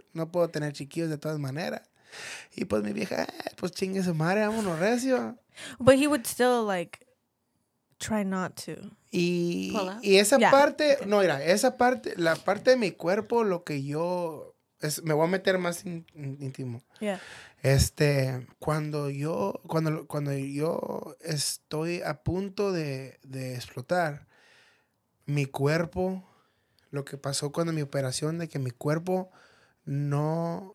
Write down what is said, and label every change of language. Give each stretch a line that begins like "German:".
Spanish: No puedo tener chiquillos de todas maneras. Y pues mi vieja, pues chingue su madre, vámonos recio.
English: But he would still, like, try not to.
Spanish: Y esa parte de mi cuerpo, lo que yo... me voy a meter más íntimo.
English: Yeah.
Spanish: Cuando yo estoy a punto de explotar, mi cuerpo, lo que pasó cuando mi operación, de que mi cuerpo... No...